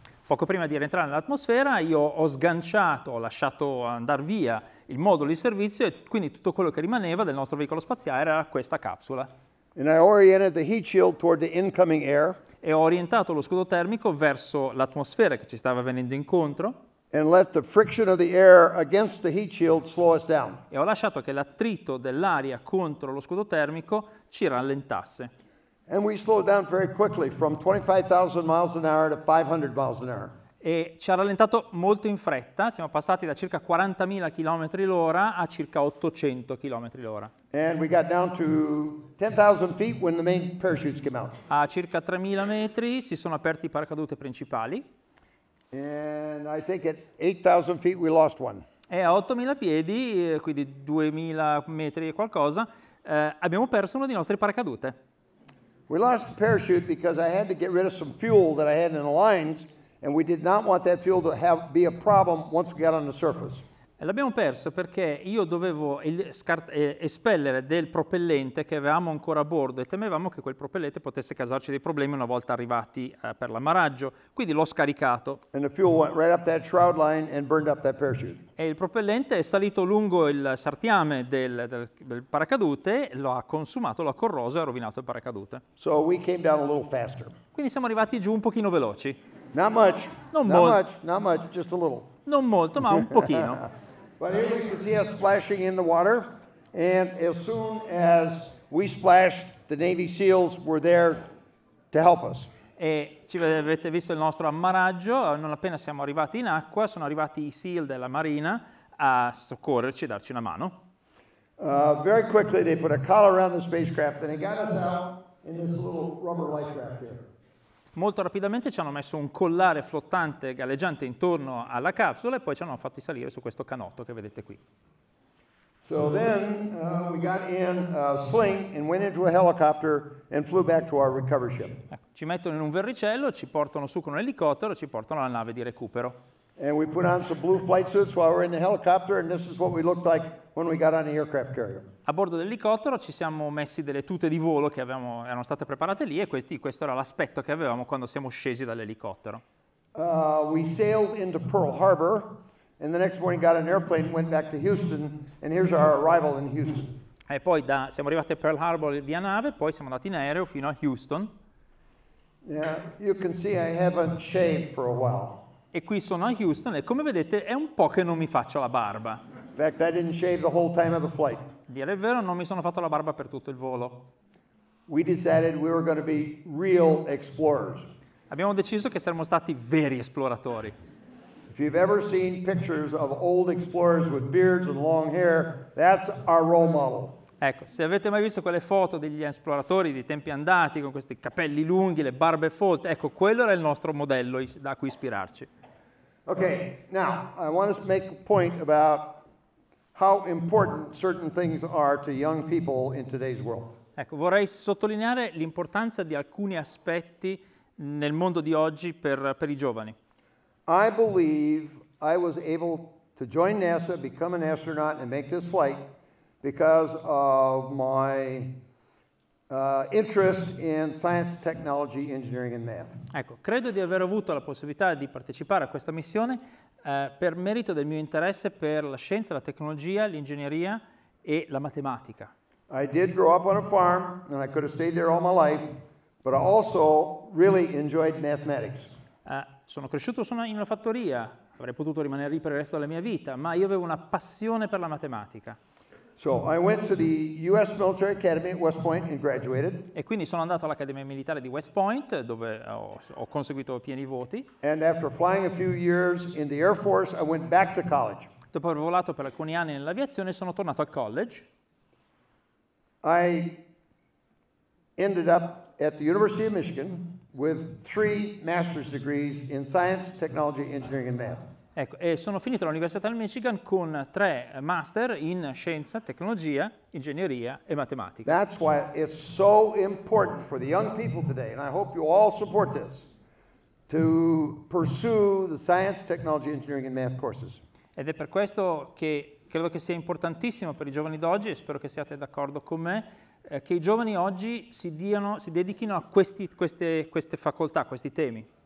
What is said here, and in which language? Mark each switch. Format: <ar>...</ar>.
<it>Poco prima di rientrare nell'atmosfera, io ho sganciato, ho lasciato andare via il modulo di servizio e quindi tutto quello che rimaneva del nostro veicolo spaziale era questa capsula.</it> <en>And I oriented the heat shield toward the incoming air.</en> <it>E ho orientato lo scudo termico verso l'atmosfera che ci stava venendo incontro.</it> <en>And let the friction of the air against the heat shield slow us down.</en> <it>E ho lasciato che l'attrito dell'aria contro lo scudo termico ci rallentasse.</it> <en>And we slowed down very quickly from 25,000 miles an hour to 500 miles an hour.</en> <it>E ci ha rallentato molto in fretta, siamo passati da circa 40.000 km l'ora a circa 800 km l'ora.</it> <en>And we got down to 10,000 feet when the main parachutes came out.</en> <it>A circa 3.000 metri si sono aperti i paracadute principali.</it> <en>And I think at 8,000 feet we lost one.</en> <it>E a 8.000 piedi, quindi 2.000 metri e qualcosa, abbiamo perso uno dei nostri paracadute.</it> <en>We lost the parachute because I had to get rid of some fuel that I had in the lines. And we did not want that fuel to have be a problem once we got on the surface.</en> <it>L'abbiamo perso perché io dovevo espellere del propellente che avevamo ancora a bordo e temevamo che quel propellente potesse causarci dei problemi una volta arrivati per l'ammaraggio. Quindi l'ho scaricato.</it> <en>And the fuel went right up that shroud line and burned up that parachute.</en> <it>E il propellente è salito lungo il sartiame del paracadute, lo ha consumato, lo ha corroso e ha rovinato il paracadute.</it> <en>So we came down a little faster.</en> <it>Quindi siamo arrivati giù un pochino veloci.</it> <en>Not much. Not much. Just a little.</en> <it>Non molto, ma un pochino.</it> <en>But here we can see us splashing in the water, and as soon as we splashed, the Navy SEALs were there to help us.</en> <it>E ci avete visto il nostro ammaraggio? Non appena siamo arrivati in acqua, sono arrivati i SEAL della Marina a soccorrerci e darci una mano.</it> <en>Very quickly, they put a collar around the spacecraft, and they got us out in this little rubber lifecraft here.</en> <it>Molto rapidamente ci hanno messo un collare flottante galleggiante intorno alla capsula e poi ci hanno fatti salire su questo canotto che vedete qui.</it> <en>So then we got in a sling and went into a helicopter and flew back to our recovery ship.</en> <it>Ecco, ci mettono in un verricello, ci portano su con un elicottero, ci portano alla nave di recupero.</it> <en>And we put on some blue flight suits while we're in the helicopter, and this is what we looked like when we got on the aircraft carrier.</en> <it>A bordo dell'elicottero ci siamo messi delle tute di volo che erano state preparate lì e questo era l'aspetto che avevamo quando siamo scesi dall'elicottero.</it> <en>We sailed into Pearl Harbor and the next morning got an airplane, went back to Houston, and here's our arrival in Houston.</en> <it>E poi siamo arrivati a Pearl Harbor via nave, poi siamo andati in aereo fino a Houston.</it> <en>Yeah, you can see I haven't shaved for a while.</en> <it>E qui sono a Houston e come vedete è un po' che non mi faccio la barba.</it> <en>In fact, I didn't shave the whole time of the flight.</en> <it>Dire il vero, non mi sono fatto la barba per tutto il volo.</it> <en>We decided we were going to be real explorers.</en> <it>Abbiamo deciso che saremmo stati veri esploratori.</it> <en>If you've ever seen pictures of old explorers with beards and long hair, that's our role model.</en> <it>Ecco, se avete mai visto quelle foto degli esploratori di tempi andati con questi capelli lunghi, le barbe folte, ecco, quello era il nostro modello da cui ispirarci.</it> <en>Okay, now I want to make a point about how important certain things are to young people in today's world.</en> <it>Ecco, vorrei sottolineare l'importanza di alcuni aspetti nel mondo di oggi per i giovani.</it> <en>I believe I was able to join NASA, become an astronaut and make this flight because of my interest in science, technology, engineering and math.</en> <it>Ecco, credo di aver avuto la possibilità di partecipare a questa missione per merito del mio interesse per la scienza, la tecnologia, l'ingegneria e la matematica.</it> <en>I did grow up on a farm and I could have stayed there all my life, but I also really enjoyed mathematics.</en> <it>Sono cresciuto in una fattoria, avrei potuto rimanere lì per il resto della mia vita, ma io avevo una passione per la matematica.</it> <en>So I went to the U.S. Military Academy at West Point and graduated.</en> <it>E quindi sono andato all'Accademia Militare di West Point, dove ho conseguito pieni voti.</it> <en>And after flying a few years in the Air Force, I went back to college.</en> <it>Dopo aver volato per alcuni anni nell'aviazione, sono tornato al college.</it> <en>I ended up at the University of Michigan. with 3 master's degrees in science, technology, engineering and math.</en> <it>Ecco, e sono finito all'Università del Michigan con 3 master in scienza, tecnologia, ingegneria e matematica.</it> <en>That's why it's so important for the young people today, and I hope you all support this, to pursue the science, technology, engineering and math courses.</en> <it>Ed è per questo che credo che sia importantissimo per i giovani d'oggi, e spero che siate d'accordo con me, che i giovani oggi si dedichino a queste facoltà, questi temi.</it>